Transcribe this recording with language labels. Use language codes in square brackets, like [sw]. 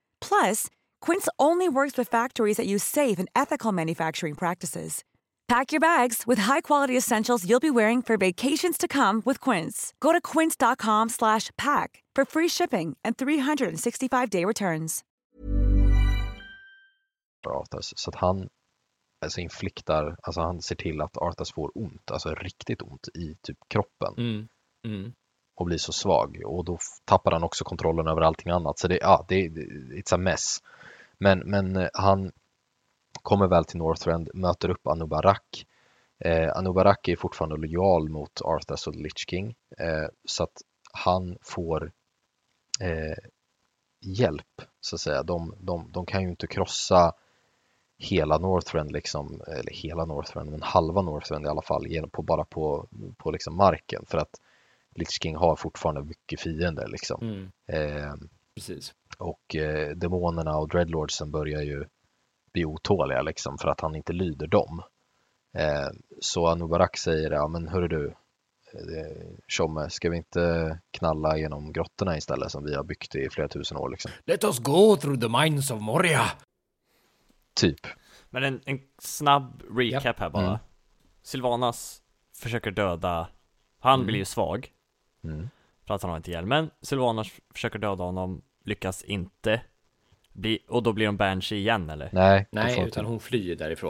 [en] Plus, Quince only works with factories that use safe and ethical manufacturing practices. Pack your bags with high-quality essentials you'll be wearing for vacations to come with Quince. Go to quince.com/pack for free shipping and 365-day returns. [sv] Arthas, så att han alltså infliktar, alltså han ser till att Arthas får ont, alltså riktigt ont i typ kroppen. Och blir så svag. Och då tappar han också kontrollen över allting annat. Så det [en] it's a mess. [sv] Men han kommer väl till Northrend, möter upp Anubarak. Anubarak är fortfarande lojal mot Arthas och Lich King. Så att han får hjälp, så att säga. De kan ju inte krossa hela Northrend liksom, eller hela Northrend, men halva Northrend i alla fall, på liksom marken, för att Lich King har fortfarande mycket fiender liksom. Precis. Och demonerna och dreadlordsen börjar ju bli otåliga liksom, för att han inte lyder dem. Så Anubarak säger, ja men hörru du, Tjomme, ska vi inte knalla genom grottorna istället som vi har byggt i flera tusen år liksom? [en] Let us go through the mines of Moria! [sv] Typ. Men en snabb recap, yep, här bara. Mm. Sylvanas försöker döda, han blir ju svag. För att han har inte hjälp. Men Sylvanas försöker döda honom, lyckas inte. Och då blir hon Banshee igen, eller? Nej, utan hon flyr därifrån.